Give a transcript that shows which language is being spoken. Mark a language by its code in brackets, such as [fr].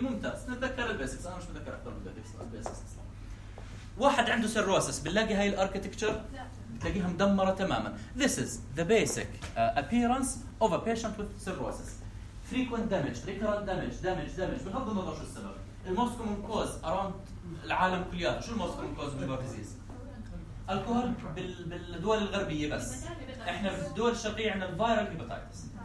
[ar] ممتاز نتذكر البيسكس. انا مش متذكر اكثر من البيسكس اصلا. واحد عنده سيروسس بنلاقي هاي الاركتكتشر تلاقيها مدمره تماما. [en] This is the basic appearance of a patient with cirrhosis. Frequent damage, recurrent damage, damage. [ar] بغض النظر شو السبب. [en] The most common cause around [ar] العالم كلياته. شو [en] the most common cause of liver disease؟ [ar] الكحول بالدول الغربية بس. إحنا في الدول الشرقية عندنا viral hepatitis.